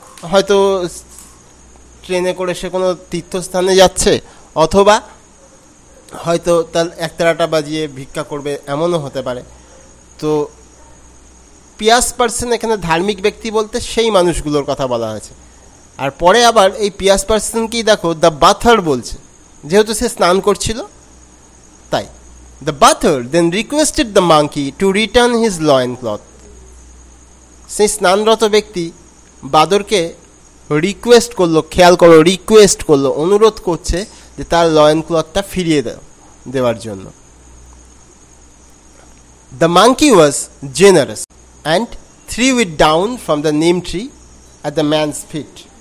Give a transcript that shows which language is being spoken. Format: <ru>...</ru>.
<bn>হয়তো ট্রেনে করে সে কোনো তীর্থস্থানে যাচ্ছে, অথবা হয়তো তার একতারাটা বাজিয়ে ভিক্ষা করবে, এমনও হতে পারে। তো পিয়াস পার্সন এখানে ধার্মিক ব্যক্তি বলতে সেই মানুষগুলোর কথা বলা হয়েছে, আর পরে আবার এই পিয়াস পার্সনকেই দেখো</bn> <en>the bather</en> <bn>বলছে, যেহেতু সে স্নান করছিল তাই।</bn> <en>The butler then requested the monkey to return his loincloth.</en> <bn>সেই স্নানরত ব্যক্তি বাদরকে রিকোয়েস্ট করলো, খেয়াল করো, রিকোয়েস্ট করলো, অনুরোধ করছে যে তার লয়েনক্লথটা ফিরিয়ে দেওয়ার জন্য।</bn> <en>The monkey was generous and threw it down from the neem tree at the man's feet.</en>